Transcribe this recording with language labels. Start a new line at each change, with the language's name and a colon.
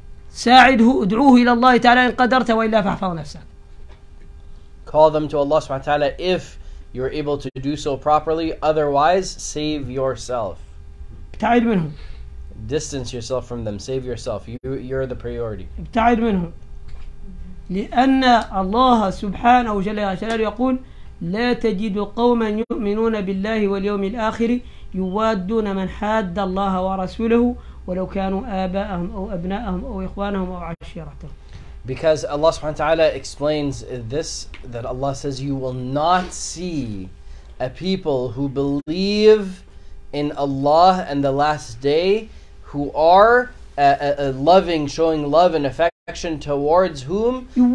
Arabic: ساعده ادعوه إلى الله تعالى إن قدرت وإلا فاحفظ نفسك.
English: Call them to Allah سبحانه وتعالى if you're able to do so properly. Otherwise, save yourself.
Arabic: ابتعد منهم.
English: Distance yourself from them. Save yourself. You're the priority.
Arabic: ابتعد منهم. لأن الله سبحانه وجل وعلا يقول لا تجد قوما يؤمنون بالله واليوم الآخر يوادون من حاد الله ورسوله ولو كانوا آباءهم أو أبناءهم أو إخوانهم أو عشيرتهم.
English: Because Allah subhanahu wa ta'ala explains this, that Allah says you will not see a people who believe in Allah and the last day who are loving, showing love and affection towards whom?